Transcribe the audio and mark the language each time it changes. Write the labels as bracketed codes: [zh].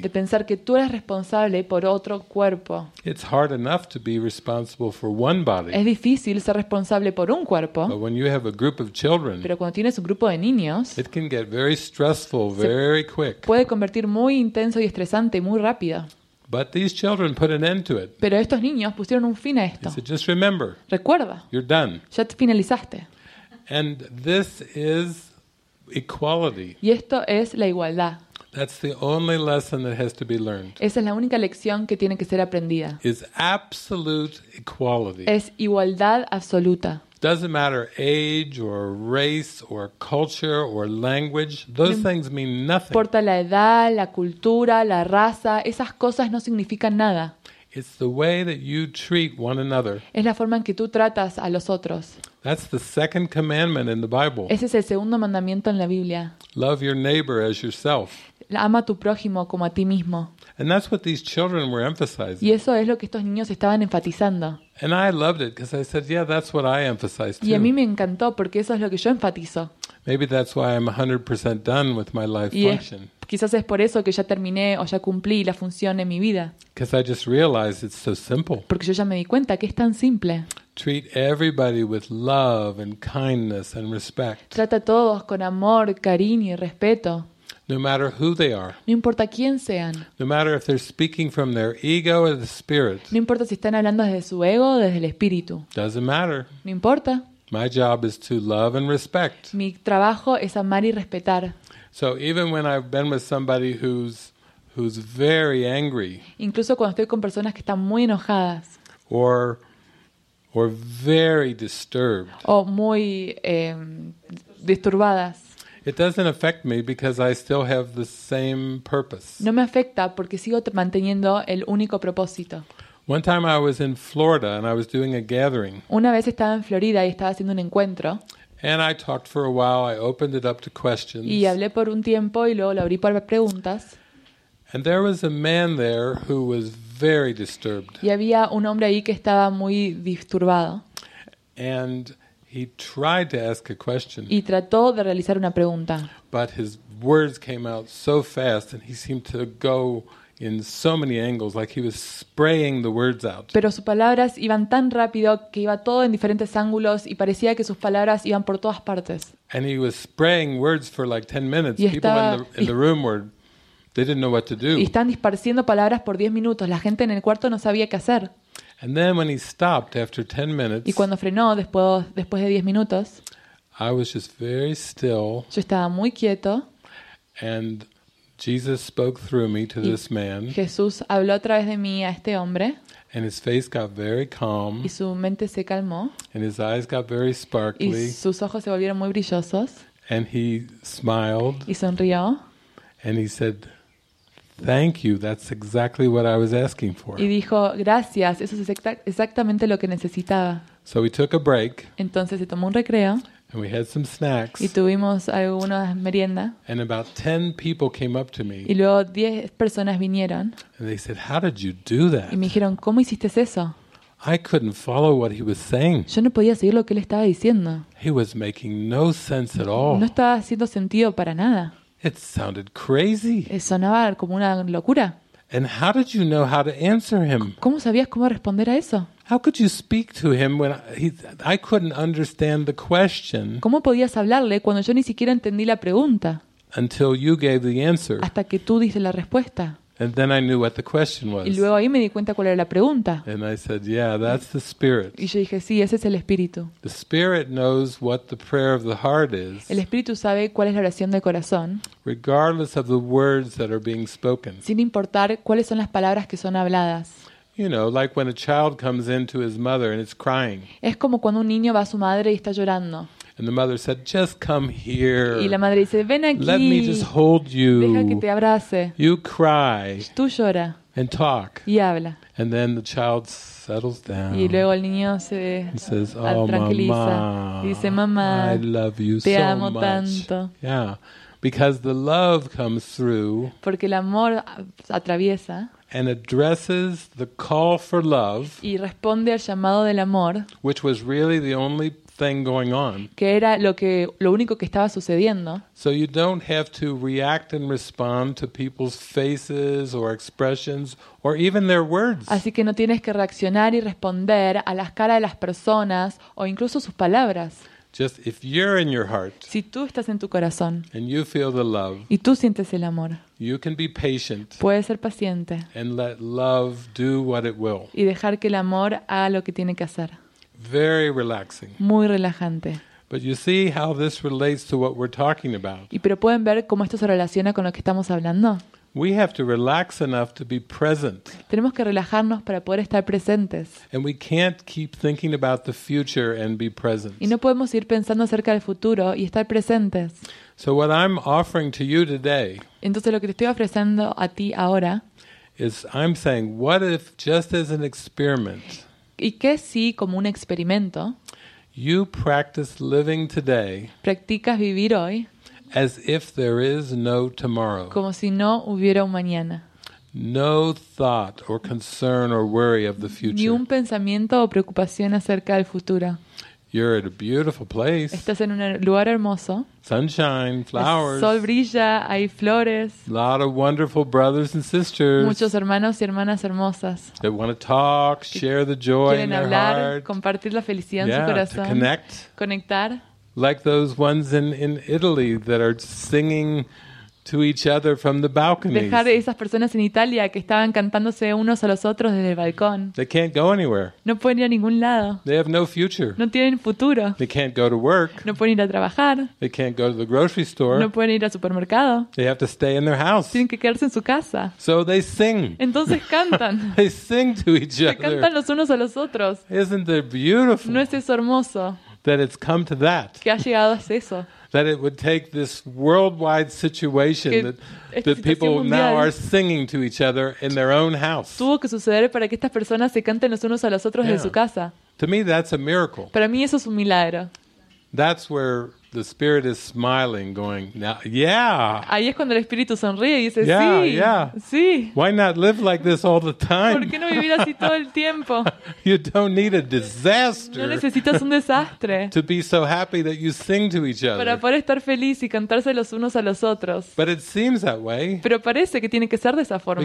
[es] De pensar que tú eres responsable por otro cuerpo. [en] It's hard enough to be responsible for one body. [es] Es difícil ser responsable por un cuerpo. [en] But when you have a group of children. [es] Pero cuando tienes un grupo de niños. [en] It can get very stressful very quick. [es] Puede convertir muy intenso y estresante muy rápido. [en] But these children put an end to it. [es] Pero estos niños pusieron un fin a esto. [en] So just remember. [es] Recuerda. [en] You're done. [es] Ya te finalizaste. [en] And this is equality. [es] Y esto es la igualdad. [en] That's the only lesson that has to be learned. [es] Esa es la única lección que tiene que ser aprendida. [en] Is absolute equality. [es] Es igualdad absoluta. [en] Doesn't matter age or race or culture or language. Those things mean nothing. [es] No importa la edad, la cultura, la raza, esas cosas no significan nada. [en] It's the way that you treat one another. [es] Es la forma en que tú tratas a los otros. [en] That's the second commandment in the Bible. [es] Ese es el segundo mandamiento en la Biblia. [en] Love your neighbor as yourself. [es] Ama a tu prójimo como a ti mismo. [en] And that's what these children were emphasizing. [es] Y eso es lo que estos niños estaban enfatizando. [en] And I loved it because I said, "Yeah, that's what I emphasize too." [es] Y a mí me encantó porque eso es lo que yo enfatizo. [en] Maybe that's why I'm 100% done with my life function. [es] Quizás es por eso que ya terminé o ya cumplí la función en mi vida. [en] Because I just realized it's so simple. [es] Porque yo ya me di cuenta que es tan simple. [en] Treat everybody with love and kindness and respect. [es] Trata a todos con amor, cariño y respeto. [en] No matter who they are. [es] No importa quién sean. [en] No matter if they're speaking from their ego or the spirit. [es] No importa si están hablando desde su ego o desde el espíritu. [en] Doesn't matter. [es] No importa. [en] My job is to love and respect. [es] Mi trabajo es amar y respetar. [en] So even when I've been with somebody who's very angry. [es] Incluso cuando estoy con personas que están muy enojadas. [en] Or very disturbed. [es] O muy disturbadas. [en] It doesn't affect me because I still have the same purpose. [es] No me afecta porque sigo manteniendo el único propósito. [en] One time I was in Florida and I was doing a gathering. [es] Una vez estaba en Florida y estaba haciendo un encuentro. [en] And I talked for a while. I opened it up to questions. [es] Y hablé por un tiempo y luego lo abrí para preguntas. [en] And there was a man there who was very disturbed. [es] Y había un hombre ahí que estaba muy disturbado. [en] And he tried to ask a question. [es] Y trató de realizar una pregunta. [en] But his words came out so fast and he seemed to go in so many angles, like he was spraying the words out. [es] Pero sus palabras iban tan rápido que iba todo en diferentes ángulos y parecía que sus palabras iban por todas partes. [en] And he was spraying words for like 10 minutes. People in the room were, they didn't know what to do. [es] Y están disparciendo palabras por 10 minutos. La gente en el cuarto no sabía qué hacer. [en] And then when he stopped after 10 minutes. [es] Y cuando frenó después de 10 minutos. [en] I was just very still. [es] Yo estaba muy quieto. [en] And Jesus spoke through me to this man. [es] Jesús habló a través de mí a este hombre. [en] And his face got very calm. [es] Y su mente se calmó. [en] And his eyes got very sparkly. [es] Y sus ojos se volvieron muy brillosos. [en] And he smiled. [es] Y sonrió. [en] And he said, "Thank you. That's exactly what I was asking for." [es] Y dijo, "Gracias. Eso es exactamente lo que necesitaba." [en] So we took a break. [es] Entonces se tomó un recreo. [en] And we had some snacks. [es] Y tuvimos alguna merienda. [en] And about 10 people came up to me. [es] Y luego 10 personas vinieron. [en] And they said, "How did you do that?" [es] Y me dijeron, "¿Cómo hiciste eso?" [en] I couldn't follow what he was saying. [es] Yo no podía seguir lo que él estaba diciendo. [en] He was making no sense at all. [es] No estaba haciendo sentido para nada. [en] It sounded crazy. [es] Sonaba como una locura. [en] And how did you know how to answer him? [es] ¿Cómo sabías cómo responder a eso? [en] How could you speak to him when I couldn't understand the question? [es] ¿Cómo podías hablarle cuando yo ni siquiera entendí la pregunta? [en] Until you gave the answer. [es] Hasta que tú diste la respuesta. [en] And then I knew what the question was. [es] Y luego ahí me di cuenta cuál era la pregunta. [en] And I said, "Yeah, that's the spirit." [es] Y yo dije, "Sí, ese es el espíritu." [en] The spirit knows what the prayer of the heart is. [es] El espíritu sabe cuál es la oración del corazón. [en] Regardless of the words that are being spoken. [es] Sin importar cuáles son las palabras que son habladas. [en] You know, like when a child comes into his mother and it's crying. [es] Es como cuando un niño va a su madre y está llorando. [en] And the mother said, "Just come here." [es] Y la madre dice, "Ven aquí. [en] Let me just hold you. [es] Deja que te abrace. [en] You cry. [es] Tú llora. [en] And talk. [es] Y habla." [en] And then the child settles down. [es] Y luego el niño se [en] says, "Oh, [es] tranquiliza." [en] Mama, [es] y dice, "Mamá, [en] I love you [es] te [en] so [es] amo [en] much." [es] Tanto. [en] Yeah. Because the love comes through. [es] Porque el amor atraviesa. [en] And addresses the call for love. [es] Y responde al llamado del amor. [en] Which was really the only thing going on. [es] Que era lo único que estaba sucediendo. [en] So you don't have to react and respond to people's faces or expressions or even their words. [es] Así que no tienes que reaccionar y responder a las caras de las personas o incluso sus palabras. [en] Just if you're in your heart. [es] Si tú estás en tu corazón. [en] And you feel the love. [es] Y tú sientes el amor. [en] You can be patient. [es] Puedes ser paciente. [en] And let love do what it will. [es] Y dejar que el amor haga lo que tiene que hacer. [en] Very relaxing. [es] Muy relajante. [en] But you see how this relates to what we're talking about. [es] Y pero pueden ver cómo esto se relaciona con lo que estamos hablando. [en] We have to relax enough to be present. [es] Tenemos que relajarnos para poder estar presentes. [en] And we can't keep thinking about the future and be present. [es] Y no podemos ir pensando acerca del futuro y estar presentes. [en] So what I'm offering to you today. [es] Entonces lo que te estoy ofreciendo a ti ahora. [en] Is I'm saying, what if just as an experiment. [es] ¿Y qué si, como un experimento, [en] you practice living today, [es] practicas vivir hoy, [en] as if there is no tomorrow, [es] como si no hubiera un mañana, [en] no thought or concern or worry of the future, [es] ni un pensamiento o preocupación acerca del futuro, [en] You're at a beautiful place. [es] Estás en un lugar hermoso. [en] Sunshine, flowers. [es] El sol brilla, hay flores. [en] A lot of wonderful brothers and sisters. [es] Muchos hermanos y hermanas hermosas. [en] They want to talk, share the joy in their [es] hablar, [en] heart. [es] Quieren hablar, compartir la felicidad en [en] yeah, [es] su corazón. [en] To connect. [es] Conectar. [en] Like those ones in Italy that are singing to each other from the balconies. [es] Dejar esas personas en Italia que estaban cantándose unos a los otros desde el balcón. [en] They can't go anywhere. [es] No pueden ir a ningún lado. [en] They have no future. [es] No tienen futuro. [en] They can't go to work. [es] No pueden ir a trabajar. [en] They can't go to the grocery store. [es] No pueden ir al supermercado. [en] They have to stay in their house. [es] Tienen que quedarse en su casa. [en] So they sing. [es] Entonces cantan. [en] They sing to each other. [es] Se cantan los unos a los otros. [en] Isn't it beautiful? [es] ¿No es eso hermoso? [en] That it's come to that. [es] Que ha llegado a eso. [en] That it would take this worldwide situation that people now are singing to each other in their own house. [es] Tuvo que suceder para que estas personas se canten los unos a los otros en su casa. [en] To me, that's a miracle. [es] Para mí eso es un milagro. [en] That's where the spirit is smiling, going, now, yeah. [es] Ahí es cuando el espíritu sonríe y dice, [en] yeah, [es] sí, [en] yeah. [es] Sí. [en] Why not live like this all the time? [es] ¿Por qué no vivir así todo el tiempo? [en] You don't need a disaster. [es] No necesitas un desastre. [en] To be so happy that you sing to each other. [es] Para poder estar feliz y cantarse los unos a los otros. [en] But it seems that way. [es] Pero parece que tiene que ser de esa forma.